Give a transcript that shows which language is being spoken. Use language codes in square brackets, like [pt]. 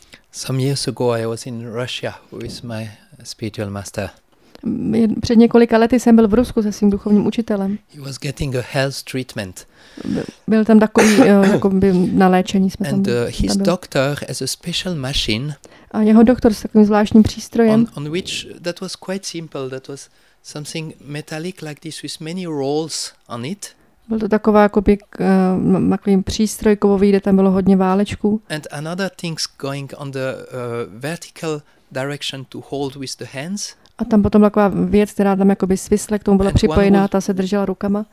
[en] Some years ago I was in Russia with my spiritual master. [cs] Před několika lety jsem byl v Rusku se svým duchovním učitelem. [en] He was getting a health treatment. [cs] Byl tam takový jako by na léčení jsme [en] and, [cs] tam. [en] And his doctor has a special machine. [cs] A jeho doktor s takovým zvláštním přístrojem. [en] On which that was quite simple, that was something metallic like this with many rolls on it. [cs] Byl to taková jako by takový přístroj kovový, kde tam bylo hodně válečků. [en] And another things going on the vertical direction to hold with the hands. [cs] A tam potom taková věc, která tam jakoby svisle, k tomu byla připojená, ta se držela rukama.